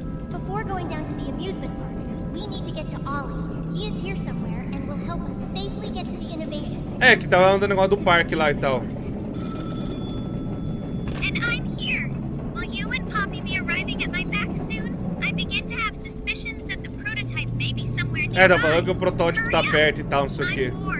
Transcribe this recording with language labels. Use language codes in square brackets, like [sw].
[en] Before going down to the amusement park, we need to get to Oli. He is here somewhere and will help us safely get to the innovation. [pt] É, que tava andando no negócio do parque lá e tal. [en] And I'm here. Will you and Poppy be arriving at my back soon? I begin to have suspicions that the prototype may be somewhere near. [pt] É, tá falando que o protótipo tá perto e tal, não sei o quê.